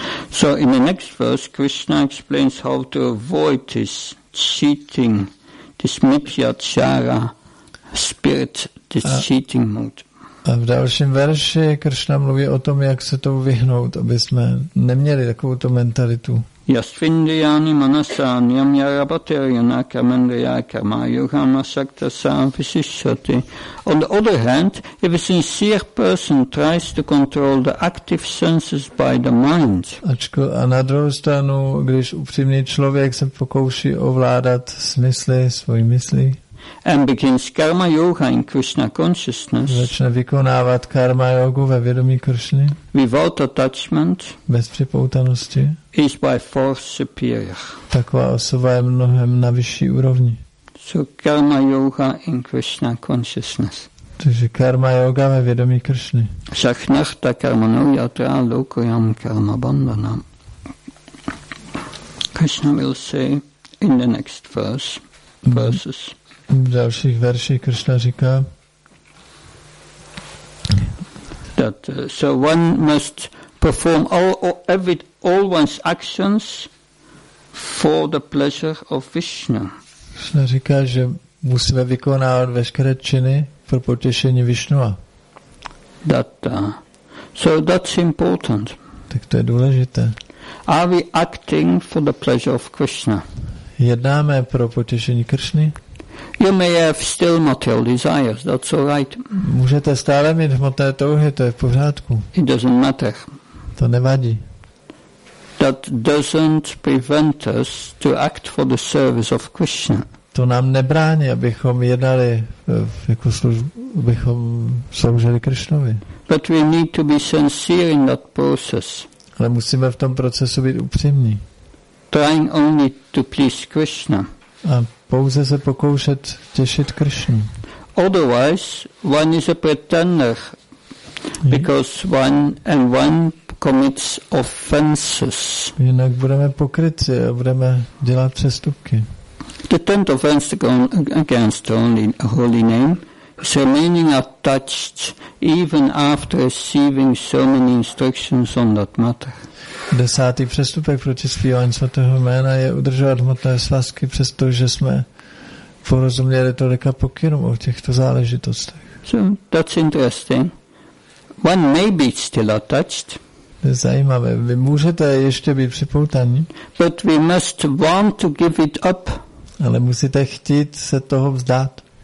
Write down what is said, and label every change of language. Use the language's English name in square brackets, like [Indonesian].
[English] So in the next verse, Krishna explains how to avoid this cheating, this mityachara spirit, this cheating mood. [Czech] A v dalším verši Krishna mluví o tom, jak se tomu vyhnout, aby jsme neměli takovou tu mentalitu. [Sanskrit] Yastvindriyani manasa niyamya rabateryana kamendriya karma yuga masakta samvisishyati. [English] On the other hand, if a sincere person tries to control the active senses by the mind, [Czech] a na druhou stranu, když upřímný člověk se pokouší ovládat smysly, svojí myslí, [English] and begins karma yoga in Krishna consciousness, [Czech] začne vykonávat karma jogu ve vědomí Kršny, [English] without attachment, [Czech] bez připoutanosti, [English] is by far superior. [Czech] Taková osoba je mnohem na vyšší úrovni. [English] So karma yoga in Krishna consciousness. [Czech] Takže karma yoga ve vědomí Kršny. [Sanskrit] Sachnachta karma no yatra lokoyam karma bandhanam. [English] Krishna will say in the next verses. [Czech] V dalších verších Krishna říká, [English] that so one must perform all one's actions for the pleasure of Vishnu. [Czech] Krishna říká, že musíme vykonávat veškeré činy pro potěšení Vishnua. [English] So that's important. [Czech] Tak to je důležité. [English] Are we acting for the pleasure of Krishna? [Czech] Jednáme pro potěšení Kršny? [English] You may have still material desires, that's all right. [Czech] Můžete stále mít hmotné touhy, to je v pořádku. [English] It doesn't matter. [Czech] To nevadí. [English] That doesn't prevent us to act for the service of Krishna. [Czech] To nám nebrání, abychom jednali jako abychom sloužili Krishnovi. [English] But we need to be sincere in that process. [Czech] Ale musíme v tom procesu být upřímní. [English] Trying only to please Krishna. [Czech] A pouze se pokoušet těšit Krishnu. [English] Otherwise, one is a pretender, because one commits offences. [Czech] Jinak budeme pokryci a budeme dělat přestupky. [English] The tenth offence against the holy name is remaining attached even after receiving so many instructions on that matter. [Czech] Desátý přestupek proti zpívání svatého jména je udržovat hmotné svazky, přestože jsme porozuměli tolika pokynů o těchto záležitostech. [English] So that's interesting. One may be still attached. [Czech] To je zajímavé. Vy můžete ještě být připoutaní. [English] But we must want to give it up. [Czech] Ale musíte chtít se toho vzdát.